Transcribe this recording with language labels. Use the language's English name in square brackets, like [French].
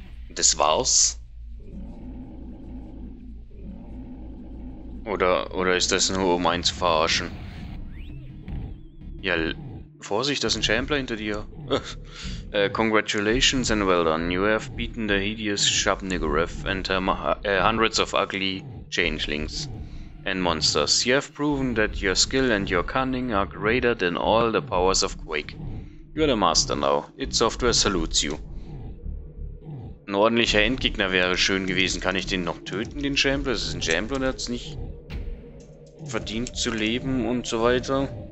[German] Das war's? Oder ist das nur, um einen zu verarschen? Ja, Vorsicht, da ist ein Champler hinter dir. [English] congratulations and well done. You have beaten the hideous Shabnigarev and hundreds of ugly changelings and monsters. You have proven that your skill and your cunning are greater than all the powers of Quake. You're the master now. Its software salutes you. [German] Ein ordentlicher Endgegner wäre schön gewesen. Kann ich den noch töten, den Champler? Das ist ein Champler, der hat es nicht verdient zu leben und so weiter.